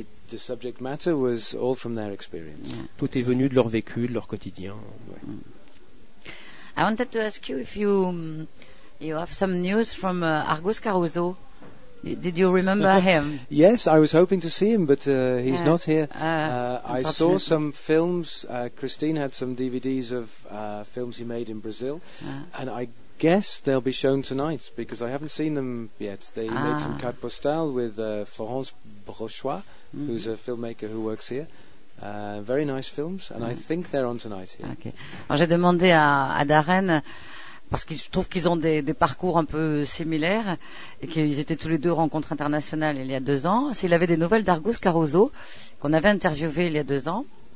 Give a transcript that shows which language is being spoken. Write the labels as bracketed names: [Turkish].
[English] The subject matter was all from their experience. [French] Tout est venu de leur vécu, de leur quotidien. Ouais. [English] I wanted to ask you if you have some news from Argus Caruso. Did you remember him? Yes, I was hoping to see him, but he's not here. I saw some films. Christine had some DVDs of films he made in Brazil. And I guess they'll be shown tonight, because I haven't seen them yet. They made some carte postale with Florence Brochois, mm-hmm. who's a filmmaker who works here. Very nice films, and I think they're on tonight. Yeah. Okay. [French] Alors, j'ai demandé à Darren, parce que je trouve qu'ils ont des parcours un peu similaires, et qu'ils étaient tous les deux rencontres internationales il y a 2 ans, s'il avait des nouvelles d'Argus Caruso, qu'on avait interviewé il y a 2 ans,